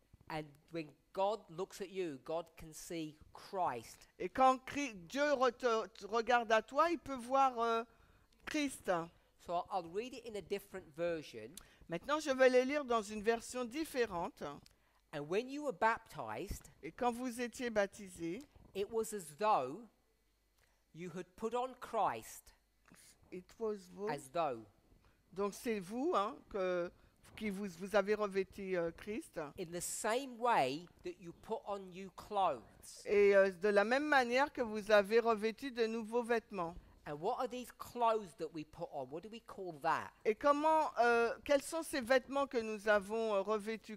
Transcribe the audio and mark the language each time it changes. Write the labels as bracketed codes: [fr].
[en] And when God looks at you, God can see Christ. [fr] Et quand Dieu regarde à toi, il peut voir Christ. [en] So I'll read it in a different version. [fr] Maintenant, je vais le lire dans une version différente. [en] And when you were baptized, [fr] et quand vous étiez baptisé, [en] it was as though you had put on Christ. It was both. As though. [fr] Donc c'est vous, hein, que qui vous avez revêtu Christ. [en] In the same way that you put on new clothes. [fr] Et de la même manière que vous avez revêtu de nouveaux vêtements. [en] And what are these clothes that we put on? What do we call that? [fr] Et comment, quels sont ces vêtements que nous avons revêtus?